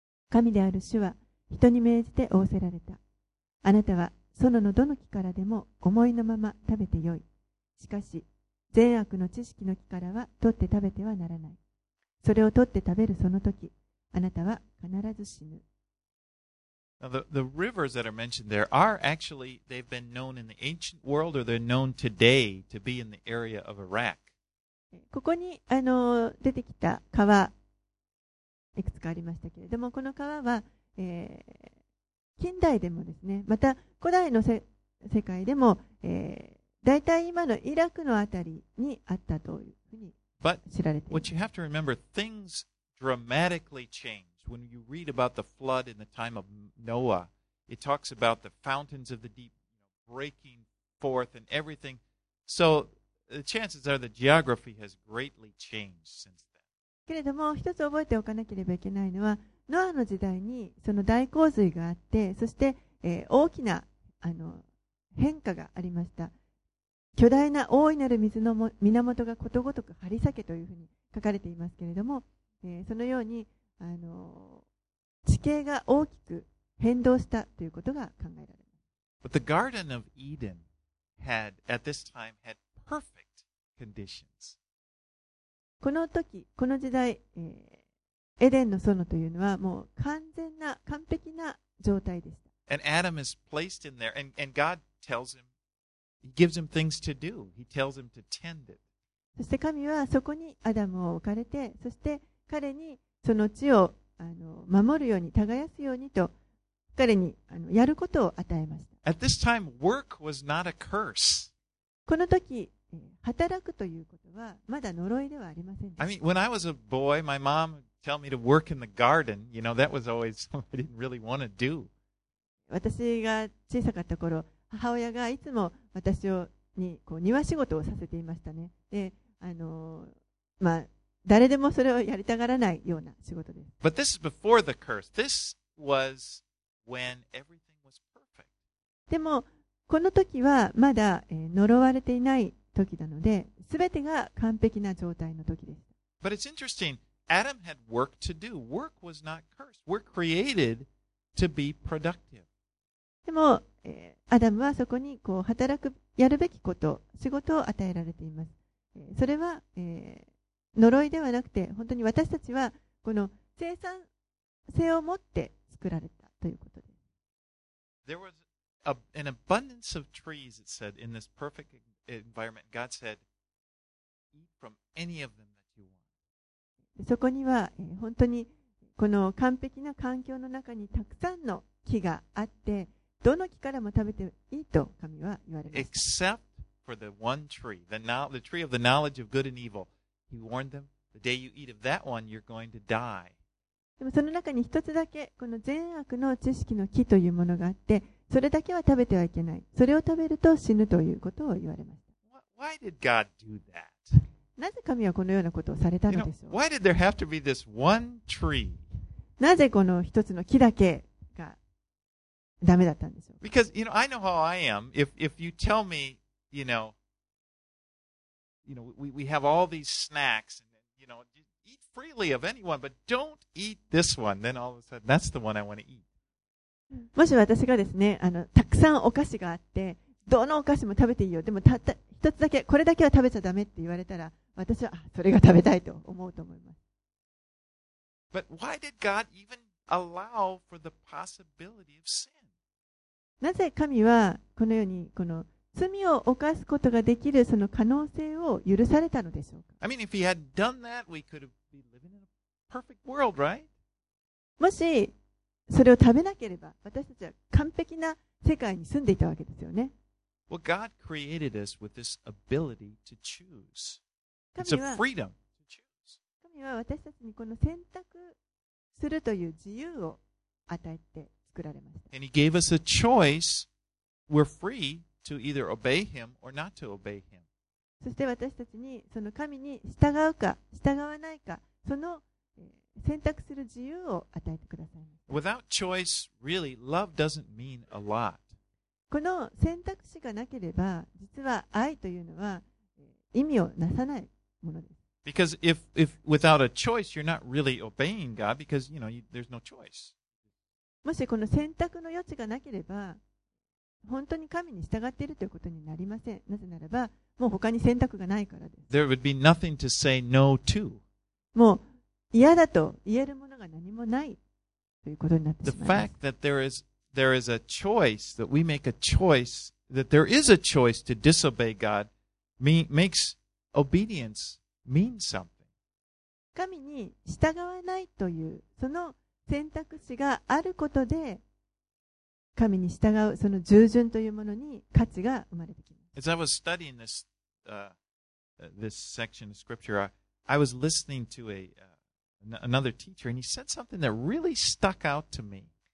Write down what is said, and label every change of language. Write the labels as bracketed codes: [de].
[ja] 神である主は人に命じて仰せられた。あなたは園のどの木からでも思いのまま食べてよい。しかし善悪の知識の木からは取って食べてはならない。それを取って食べるその時、あなたは必ず死ぬ。 [en] Now the rivers that are mentioned there are actually, they've been known in the ancient world, or they're known today to be in the area of Iraq. [ja] ここに出てきた川いくつかありましたけれども、この川は、近代でもですね、また古代の世界でも、だいたい今のイラクのあたりにあったというふうに知られています [en] 。 But what you have to remember, things dramatically changed. When you read about the flood in the time of Noah, it talks about the fountains of the deep breaking forth and everything. So the chances are the geography has greatly changed since then. [ja] けれども、一つ覚えておかなければいけないのは、ノアの時代にその大洪水があって、そして、大きな変化がありました。巨大な大いなる水の源がことごとく張り裂けというふうに書かれていますけれども、そのように地形が大きく変動したということが考えられます。 [en] But the Garden of Eden had, at this time, had perfect conditions. [ja] この時、この時代、エデンの園というのはもう完全な完璧な状態でした。 [en] And Adam is placed in there, and God tells him, He gives him things to do. He tells him to tend it. [ja] そして神はそこにアダムを置かれて、そして彼にその地を守るように、耕すようにと彼にやることを与えました。 [en] At this time, work was not a curse. [ja] この時、働くということはまだ呪いではありませんでした。 [en] I mean, when I was a boy, my mom tell me to work in the garden, you know, that was always something I didn't really want to do. [ja] 私が小さかった頃、母親がいつも私をにこう庭仕事をさせていましたね。で、まあ誰でもそれをやりたがらないような仕事です。 [en] But this is before the curse. This was when everything was perfect. [ja] でもこの時はまだ呪われていない時なので、すべてが完璧な状態の時です。 [en] But it's interesting. Adam had work to do. Work was not cursed. We're created to be productive. [ja] でも、アダムはそこにこう働くやるべきこと、仕事を与えられています。それは、呪いではなくて、本当に私たちはこの生産性を持って作られたということです。 [en] There was an abundance of trees, it said, in this perfect environment. God said, eat from any of them. [ja] そこには、本当にこの完璧な環境の中にたくさんの木があって、どの木からも食べていいと神は言われました。 [en] Except for the one tree, the tree of the knowledge of good and evil. He warned them, the day you eat of that one, you're going to die. [ja] でもその中に一つだけこの善悪の知識の木というものがあって、それだけは食べてはいけない。それを食べると死ぬということを言われました。 [en] Why did God do that? [ja] なぜ神はこのようなことをされたのでしょう。 [en] Why did there have to be this one tree? [ja] なぜこの一つの木だけがダメだったんでしょうか。 [en] Because, you know, I know how I am. If you tell me, you know, we have all these snacks, and then, you know, eat freely of anyone, but don't eat this one. Then all of a sudden, that's the one I want to eat. [ja] もし私がですね、たくさんお菓子があって、どのお菓子も食べていいよ。でもたった一つだけ、これだけは食べちゃダメって言われたら、私はそれが食べたいと思うと思います。 [en] But why did God even allow for the possibility of sin? [ja] なぜ神はこのようにこの罪を犯すことができるその可能性を許されたのでしょうか? [en] I mean, if he had done that, we could be living in a perfect world, right? [ja] もしそれを食べなければ、私たちは完璧な世界に住んでいたわけですよね。 [en] Well, God created us with this ability to choose. It's a freedom. [ja] 神は私たちにこの選択するという自由を与えて作られました。 [en] And he gave us a choice. We're free to either obey him or not to obey him. [ja] そして私たちにその神に従うか従わないか、その選択する自由を与えてください。 [en] Without choice, really, love doesn't mean a lot. [ja] この選択肢がなければ、実は愛というのは意味をなさないものです。 [en] Because if without a choice, you're not really obeying God because, you know, there's no choice. [ja] もしこの選択の余地がなければ、本当に神に従っているということになりません。なぜならば、もう他に選択がないからです。 [en] There would be nothing to say no to. [ja] もう嫌だと言えるものが何もないということになってしまう。 [en] The fact that there is a choice, that we make a choice, that there is a choice to disobey God, makes obedience mean something. [ja] 神に従わないというその選択肢があることで、神に従うその従順というものに価値が生まれてきます。 [en] As I was studying this section of scripture, I was listening to another teacher, and he said something that really stuck out to me.